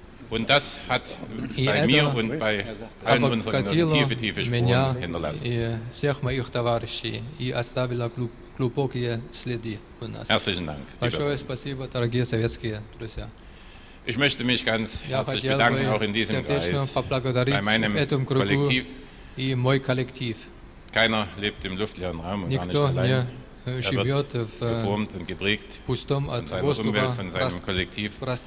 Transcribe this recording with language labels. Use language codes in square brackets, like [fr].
[de] Und das hat bei mir und bei allen unseren Genossen tiefe, tiefe Spuren hinterlassen. [ru] Und глубокие следы у нас. Большое спасибо, дорогие советские друзья. [de] Ich möchte mich ganz herzlich bedanken, auch in diesem Kreis, bei meinem Kollektiv. Keiner lebt im luftleeren Raum und gar nicht allein. Er wird geformt und geprägt von seiner Umwelt, von seinem Kollektiv.